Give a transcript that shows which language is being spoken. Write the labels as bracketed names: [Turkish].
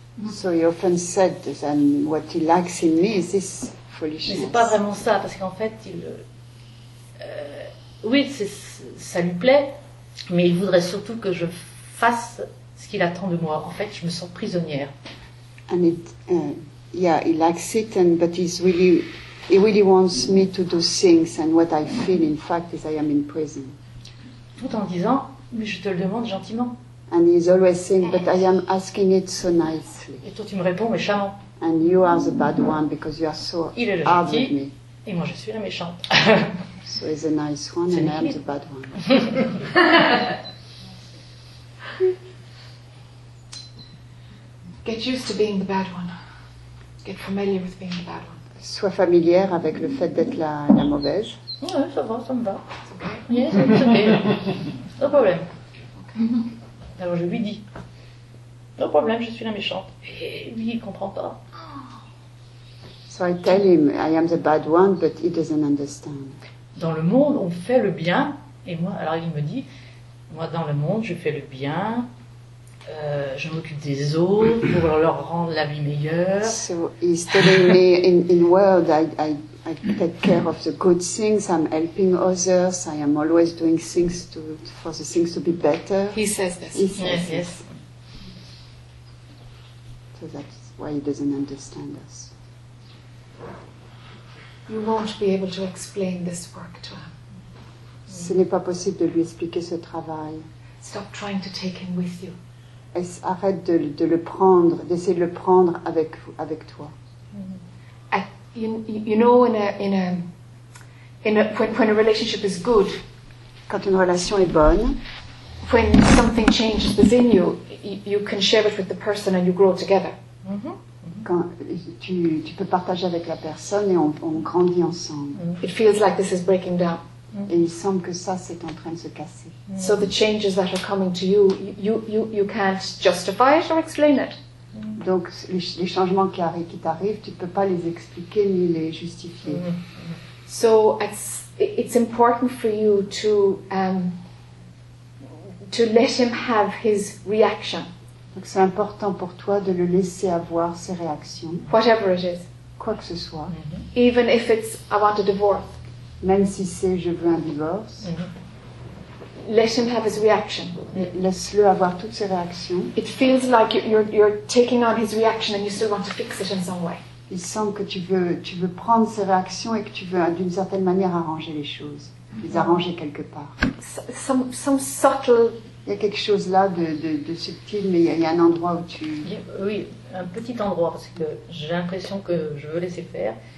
[English] So he often said that what he likes in me is this foolishness. [French] Mais c'est pas vraiment ça, parce qu'en fait, il... oui, ça lui plaît, Mais il voudrait surtout que je fasse ce qu'il attend de moi. En fait, je me sens prisonnière. [English] And it, yeah, he likes it, and but he's really, he really wants me to do things. And what I feel, in fact, is I am in prison. [French] Tout en disant, mais je te le demande gentiment. [English] And he's always saying, but I am asking it so nicely. [French] Et toi, tu me réponds méchamment. [English] And you are the bad one because you are so hard [French] gentil, [English] with me. [French] Et moi, je suis la méchante. [English] So he's a nice one, [French] c'est [English] and I'm the bad one. Get used to being the bad one. Get familiar with being the bad one. [French] Sois familière avec le fait d'être la, la mauvaise. Ouais, ça va, ça me va. [English] It's okay. Yes, it's okay. No problem. Okay. [French] Alors je lui dis, [English] no problem, [French] je suis la méchante. Et lui, il comprend pas. [English] So I tell him, I am the bad one, but he doesn't understand. Dans le monde, on fait le bien, et moi, alors il me dit, moi dans le monde, je fais le bien, je m'occupe des autres pour leur rendre la vie meilleure. So he's telling me, in world, I take care of the good things, I'm helping others, I am always doing things to, for the things to be better. He says this. He says yes, this. Yes. So that's why he doesn't understand us. You won't be able to explain this work to him. [French] Ce n'est pas possible de lui expliquer ce travail. [English] Stop trying to take him with you. [French] Arrête de le prendre, d'essayer de le prendre avec avec toi. [English] You know, when a relationship is good, [French] quand une relation est bonne, [English] when something changes within you, you can share it with the person and you grow together. Mm-hmm. [French] Quand tu peux partager avec la personne et on grandit ensemble. [English] It feels like this is breaking down. [French] Et il semble que ça c'est en train de se casser. [English] So the changes that are coming to you, you can't justify it or explain it. [French] Donc les changements qui t'arrivent, tu peux pas les expliquer ni les justifier. [English] So it's important for you to let him have his reaction. [French] Donc c'est important pour toi de le laisser avoir ses réactions. [English] Whatever it is. [French] Quoi que ce soit. [English] Mm-hmm. Even if it's I want a divorce. [French] Même si c'est je veux un divorce. [English] Mm-hmm. Let him have his reaction. [French] Laisse-le avoir toutes ses réactions. [English] It feels like you're taking on his reaction and you still want to fix it in some way. [French] Il semble que tu veux prendre ses réactions et que tu veux d'une certaine manière arranger les choses, mm-hmm. les arranger quelque part. [English] Some subtle. [French] Il y a quelque chose là de subtil, mais il y a un endroit où tu... Oui, un petit endroit, parce que j'ai l'impression que je veux laisser faire.